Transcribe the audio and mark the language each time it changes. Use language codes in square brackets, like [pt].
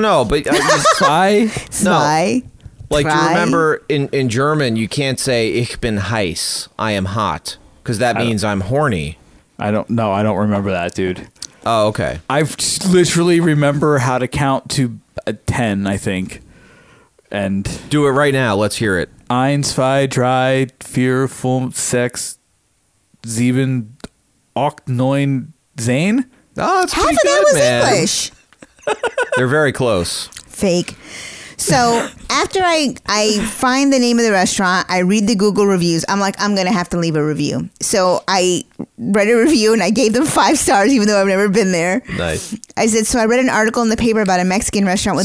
[en] Like you remember in German, you can't say [de] ich bin heiß, [en] I am hot, because that means I'm horny. I don't remember that, dude. Oh, okay. I literally remember how to count to 10, I think. And do it right now. Let's hear it. [de] Ein, zwei, drei, vier, fünf, sechs, sieben, acht, neun, zehn? [en] Oh, that's pretty good, man. Half of that was man. English. They're very close. Fake. So after I find the name of the restaurant, I read the Google reviews. I'm like, I'm going to have to leave a review. So I read a review and I gave them 5 stars, even though I've never been there. Nice. I said, so I read an article in the paper about a Mexican restaurant with